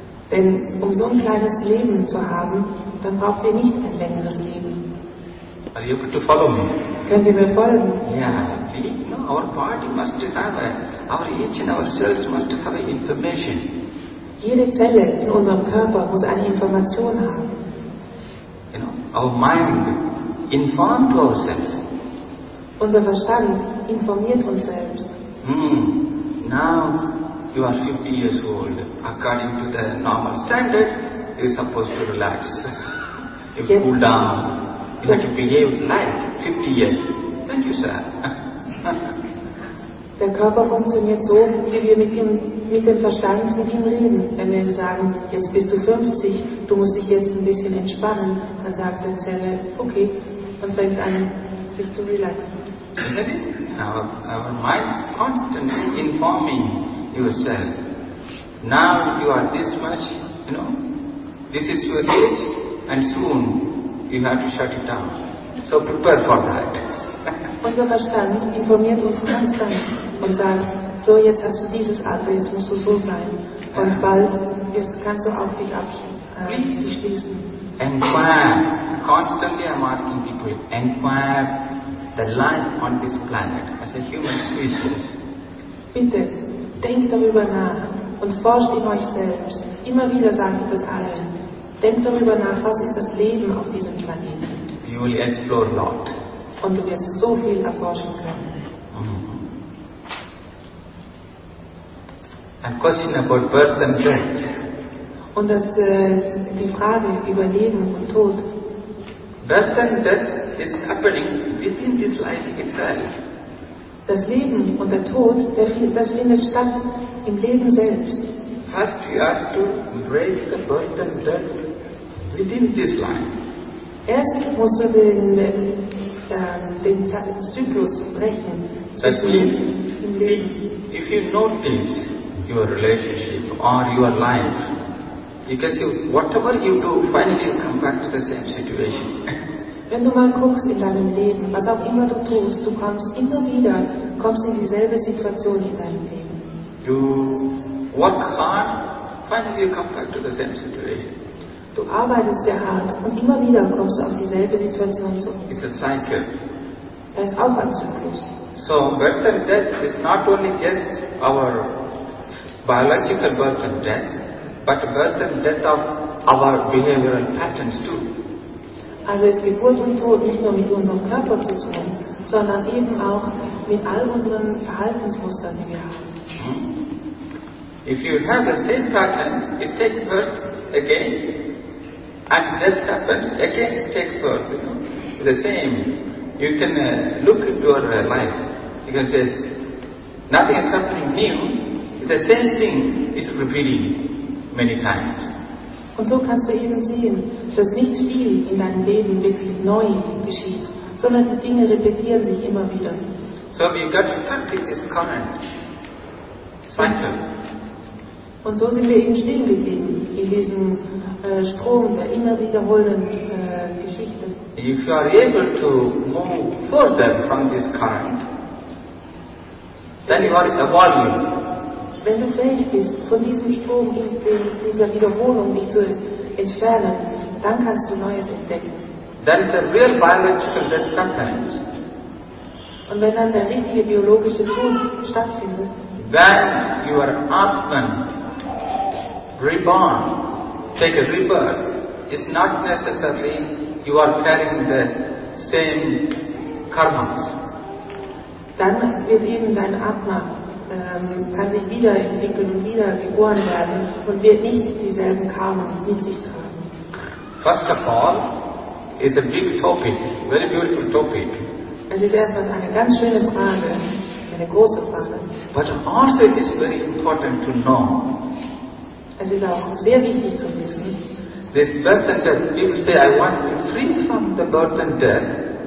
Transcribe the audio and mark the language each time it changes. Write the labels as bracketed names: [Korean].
[German] Denn um so ein kleines Leben zu haben, dann braucht ihr nicht ein längeres Leben. [English] Are you able to follow me? [German] Könnt ihr mir folgen? [English] Yeah, please, no. our body must have our each and ourselves must have information. [German] Jede Zelle in unserem Körper muss eine Information haben. [English] You know, our mind informed ourselves. [German] Unser Verstand informiert uns selbst. [English] Now you are 50 years old. According to the normal standard, you're supposed to relax. You yes. Cool down. You have to behave like 50 years. Thank you, sir. [German] Der Körper funktioniert so, wie wir mit dem Verstand mit ihm reden. Wenn wir ihm sagen, jetzt bist du 50, du musst dich jetzt ein bisschen entspannen, dann sagt der Zelle, okay, und fängt an, sich zu relaxen. [English] Our mind constantly informing yourself. Now you are this much, you know, this is your age, and soon you have to shut it down. So prepare for that. [German] Unser Verstand informiert uns konstant und sagt, so jetzt hast du dieses Alter, jetzt musst du so sein. Und bald jetzt kannst du auch dich abschließen. [English] Enquire. Constantly I'm asking people, enquire the life on this planet as a human species. [German] Bitte, denk darüber nach und forscht in euch selbst. Immer wieder sage ich das allen. Denk darüber nach, was ist das Leben auf diesem Planeten. [English] You will explore a lot. [German] Und du wirst so viel erforschen können. [English] And question about birth and death. [German] Und das, die Frage über Leben und Tod. [English] Birth and death is happening within this life itself. [German] Das Leben und der Tod, das findet statt im Leben selbst. [English] First you have to break the birth and death within this life. [German] Erst musst du den Zyklus brechen. [English] If you notice your relationship or your life, because you, whatever you do, finally you come back to the same situation. [German] Wenn du mal guckst in deinem Leben, was auch immer du tust, du kommst immer wieder, kommst in dieselbe Situation in deinem Leben. [English] You work hard, finally you come back to the same situation. [German] Du arbeitest sehr hart und immer wieder kommst du auf dieselbe Situation zurück. [English] It's a cycle. [German] Das ist auch ein Zyklus. [English] So, birth and death is not only just our biological birth and death, but birth and death of our behavioral patterns too. [German] Also ist Geburt und Tod nicht nur mit unserem Körper zu tun, sondern eben auch mit all unseren Verhaltensmustern, die wir haben. [English] If you have the same pattern, it takes birth again. And death happens again, it takes birth. You know? The same. You can look at your life. You can say, nothing is happening new. The same thing is repeating many times. [German] Und so kannst du eben sehen, dass nicht viel in deinem Leben wirklich neu geschieht, sondern die Dinge repetieren sich immer wieder. [English] So we got stuck in this current cycle. [German] Und so sind wir eben stehen geblieben in diesem Strom der immer wiederholenden Geschichte. [English] If you are able to move further from this current, then you are evolving. [German] Wenn du fähig bist, von diesem Strom in dieser Wiederholung dich zu entfernen, dann kannst du Neues entdecken. [English] Then the real biological death happens. [German] Und wenn dann der richtige biologische Tod stattfindet, [English] then you are often reborn. Take a rebirth. It's not necessarily you are carrying the same karma. [German] Dann wird eben dein Atma kann sich wiederentwickeln und wieder geboren werden und wird nicht dieselben Karma mit sich tragen. [English] First of all, it's a big topic, very beautiful topic. [German] Es ist erstmal eine ganz schöne Frage, eine große Frage. [English] But also it is very important to know. [German] Es ist auch sehr wichtig zu wissen. [English] This birth and death, people say, I want to be free from the birth and death.